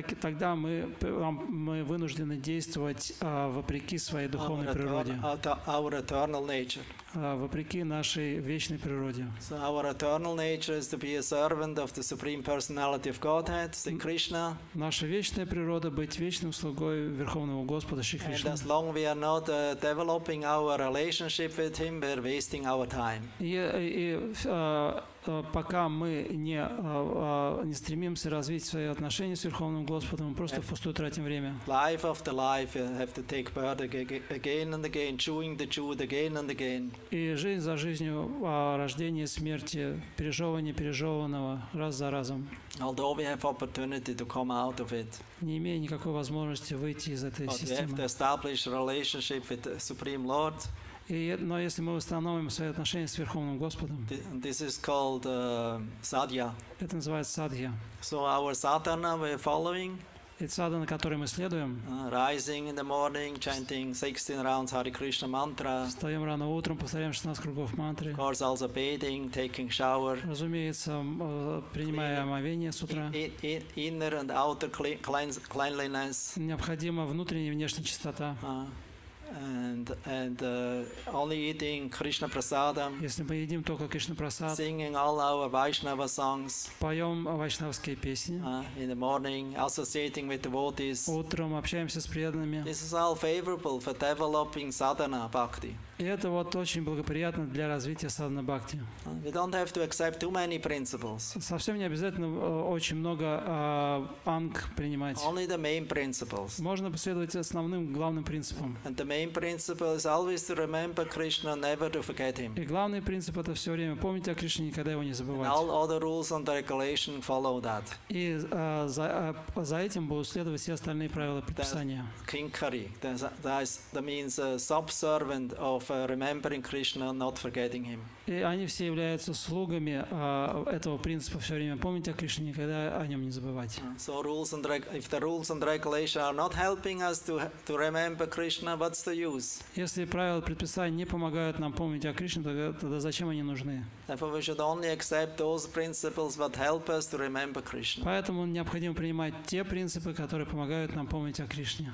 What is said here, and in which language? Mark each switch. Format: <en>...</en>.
<ru>И тогда мы вынуждены действовать вопреки своей духовной природе.</ru> <en>Our eternal nature.</en> <ru>Вопреки нашей вечной природе.</ru> <en>So our eternal nature is to be a servant of the Supreme Personality of Godhead, Sri Krishna.</en> <ru>Наша вечная природа быть вечным слугой Верховного Господа Шри Кришны.</ru> <en>And as long we are not developing our relationship with Him, we are wasting our time.</en> <ru>Пока мы не стремимся развить свои отношения с Верховным Господом, мы просто впустую тратим время.</ru> <en>Life after life, you have to take birth again and again, chewing the chew again and again.</en> <ru>И жизнь за жизнью, рождение, смерти, пережевывание пережеванного раз за разом.</ru> <en>Although we have opportunity to come out of it.</en> <ru>Не имея никакой возможности выйти из этой системы.</ru> <en>But we have to establish relationship with the Supreme Lord.</en> <ru>Но если мы восстановим свои отношения с Верховным Господом,</ru> <en>this is called sadhya.</en> <ru>Это называется садхья.</ru> <en>So our sadhana we're following.</en> <ru>Это садхана, которую мы следуем.</ru> <en>Rising in the morning, chanting 16 rounds Hare Krishna mantra.</en> <ru>Встаем рано утром, повторяем 16 кругов мантры.</ru> <en>Of course, also bathing, taking shower.</en> <ru>Разумеется, принимая омовение с утра.</ru> <en>Inner and outer cleanliness.</en> <ru>Необходима внутренняя и внешняя чистота.</ru> <en>And only eating Krishna prasadam.</en> <ru>Если мы едим только Кришна прасад.</ru> <en>Singing all our Vaishnava songs.</en> <ru>Поем вайшнавские песни.</ru> <en>In the morning, associating with devotees.</en> <ru>Утром общаемся с преданными.</ru> <en>This is all favorable for developing sadhana bhakti.</en> <ru>И это вот очень благоприятно для развития садхана бхакти.</ru> <en>We don't have to accept too many principles.</en> <ru>Совсем не обязательно очень много анг принимать.</ru> <en>Only the main principles.</en> <ru>Можно последовать основным главным принципам.</ru> <en>And the main principle is always to remember Krishna, never to forget him.</en> <ru>И главный принцип — это все время помнить о Кришне, никогда его не забывать.</ru> <en>And all other rules and regulations follow that.</en> <ru>И за этим будут следовать все остальные правила предписания.</ru> <en>Kinkari, that means subservient of remembering Krishna, not forgetting him.</en> <ru>И они все являются слугами этого принципа, все время помнить о Кришне, никогда о нем не забывать.</ru> <en>So rules and if the rules and regulations are not helping us to remember Krishna, what's the use?</en> <ru>Если правила предписания не помогают нам помнить о Кришне, тогда зачем они нужны?</ru> <en>Therefore, we should only accept those principles that help us to remember Krishna.</en> <ru>Поэтому необходимо принимать те принципы, которые помогают нам помнить о Кришне.</ru>